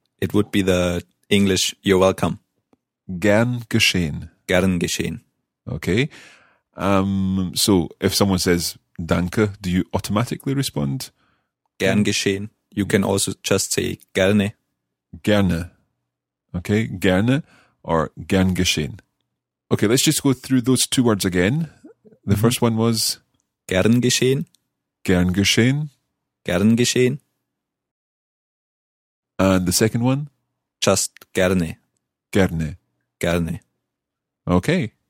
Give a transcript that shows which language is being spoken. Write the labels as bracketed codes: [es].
[en] It would be the English, you're welcome. [de] Gern geschehen. Gern geschehen. [en] Okay. So if someone says danke, do you automatically respond? [de] Gern geschehen. [en] You can also just say gerne. [de] Gerne. Okay. Gerne or gern geschehen. [en] Okay. Let's just go through those two words again. The first one was? [de] Gern geschehen. Gern geschehen. Gern geschehen. [en] And the second one? Just gerne. [de] Gerne. Gerne. [en] Okay.